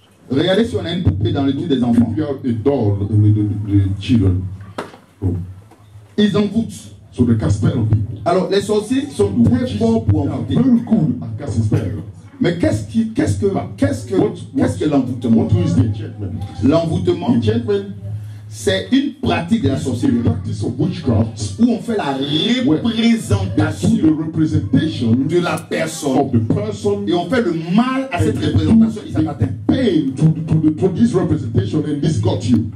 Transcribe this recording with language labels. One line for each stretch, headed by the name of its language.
French: Regardez si on a une poupée dans le lit des enfants.
English: Do we have a doll in the children?
French: Oh. Ils envoûtent.
English: So they cast spell on people.
French: Alors, les sorciers sont très forts pour envoûter.
English: Very cool at casting spells.
French: Mais qu'est-ce que l'envoûtement?
English: What is the enchantment?
French: L'envoûtement,
English: enchantment,
French: c'est une pratique de la sorcellerie.
English: Practice of witchcraft.
French: Où on fait la représentation.
English: The representation
French: de la personne.
English: Of the person.
French: Et on fait le mal à cette représentation. Il s'appartient.
English: Pain to this representation and this got you.